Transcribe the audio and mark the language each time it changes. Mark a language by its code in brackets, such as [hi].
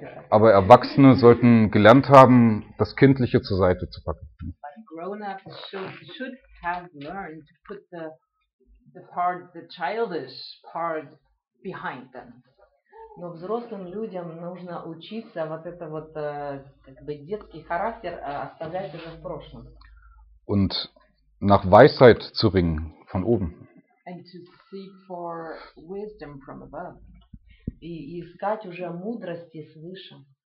[de] Aber Erwachsene sollten gelernt haben, das Kindliche zur Seite zu packen. [en] But grown-ups should have learned to put the part, the childish part behind them. [ru] Но взрослым людям нужно учиться вот это вот как бы детский характер оставлять уже в прошлом. [de] Und nach Weisheit zu ringen von oben. [en] And to seek for wisdom from above. [ru] И искать уже мудрости свыше.